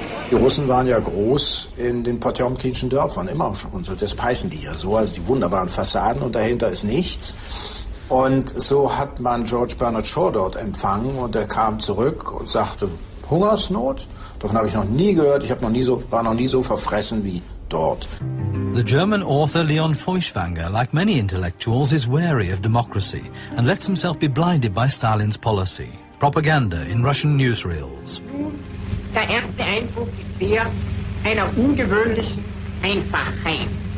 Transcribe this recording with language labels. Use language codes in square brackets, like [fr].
[de] Die Russen waren ja groß in den Potjomkinschen Dörfern, immer schon. So, deshalb heißen die ja so, also die wunderbaren Fassaden und dahinter ist nichts. Und so hat man George Bernard Shaw dort empfangen und er kam zurück und sagte, Hungersnot? Davon habe ich noch nie gehört, ich war noch nie so verfressen wie dort. [en] The German author Leon Feuchtwanger, like many intellectuals, is wary of democracy and lets himself be blinded by Stalin's policy. Propaganda in Russian newsreels. [de] Der erste Eindruck ist der einer ungewöhnlichen Einfachheit.